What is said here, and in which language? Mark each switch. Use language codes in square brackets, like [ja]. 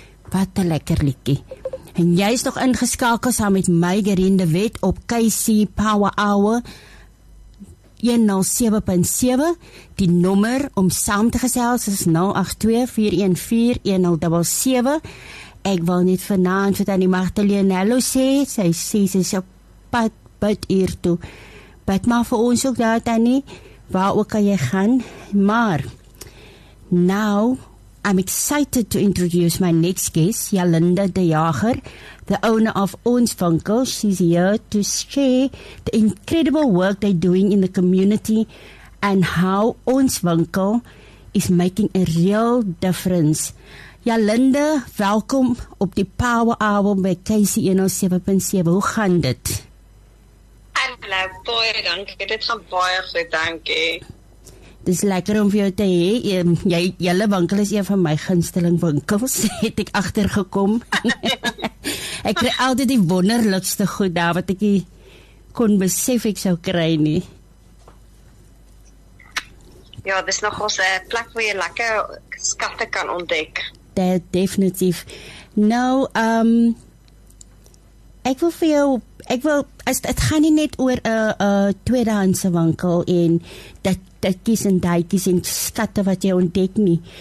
[af] Wat 'n lekker liedjie. En jy is nog ingeskakel saam met my Gerine de Wet op KC Power Hour 107.7. Die nommer om saam te gesels is 082-414-1077. Ek wil net vanaand vir Tannie Magdalene hallo sê. Sy sê sy is op pad bid hier toe. Bid maar vir ons ook daar, Tannie. Waar ook kan jy gaan? [en] Maar, nou, I'm excited to introduce my next guest, Jalinda de Jager, the owner of Ons Winkel. She's here to share the incredible work they're doing in the community and how Ons Winkel is making a real difference. [af] Jalinda, welkom op die Power Hour by Casey 107.7. Hoe gaan dit? Hallo, baie dankie. Dit gaan baie goed, dankie. Dit is lekker om vir jou te hê. Julle winkel is een van my gunsteling winkels, het ek agtergekom. Ek kry altyd die wonderlikste goed daar wat ek nie kon besef ek sou kry nie. Ja, dit is nogals 'n plek waar jy lekker skatte kan ontdek. Definitief. Nou, ek wil vir jou, ek wil, het gaan nie net oor 'n tweedehandse winkel en tikkies en daikies en skatte wat jy ontdek nie.